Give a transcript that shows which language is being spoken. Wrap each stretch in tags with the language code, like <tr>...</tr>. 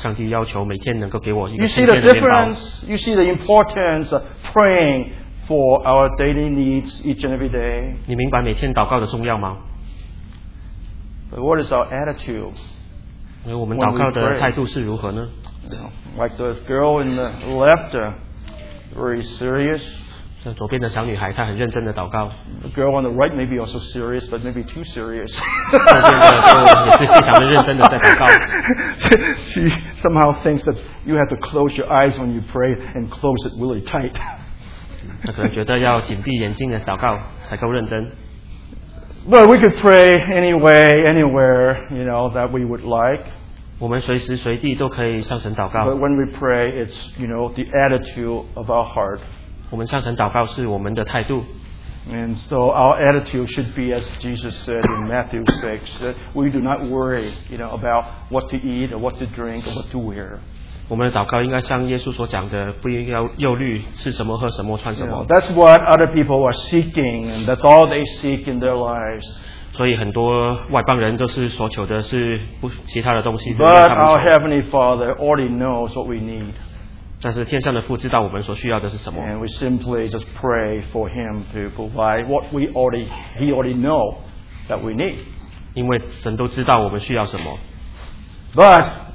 <zh>我们并不要求多，只是能够向上帝要求每天能够给我一个新鲜的面包。</zh> <en>You see the difference. You see the importance of praying for our daily needs each and every day.</en> <zh>你明白每天祷告的重要吗？</zh> <en>But what is our attitude?</en> <zh>我们祷告的态度是如何呢？</zh> <en>Like the girl in the left, very serious.</en> <zh>在左边的小女孩，她很认真的祷告。</zh> <en>The girl on the right maybe also serious, but maybe too serious.</en> <zh>那边的也是非常的认真的在祷告。</zh> <en>She somehow thinks that you have to close your eyes when you pray and close it really tight.</en> <zh>她可能觉得要紧闭眼睛的祷告才够认真。</zh> <en>But we could pray anyway, anywhere, that we would like.</en> <zh>我们随时随地都可以向神祷告。</zh> <en>But when we pray, it's, the attitude of our heart.</en> <zh>我们向神祷告是我们的态度。</zh> <en>And so our attitude should be as Jesus said in Matthew 6, that we do not worry, you know, about what to eat or what to drink or what to wear.</en> <zh>我们的祷告应该像耶稣所讲的，不应该忧虑吃什么、喝什么、穿什么。</zh> <en>Yeah, that's what other people are seeking, and that's all they seek in their lives.</en> <zh>所以很多外邦人都是所求的是不其他的东西。</zh> <en>But our Heavenly Father already knows what we need.</en> <zh>但是天上的父知道我们所需要的是什么。</zh> <en>And we simply just pray for Him to provide what we already He already know that we need.</en> <zh>因为神都知道我们需要什么。</zh> <en>But</en>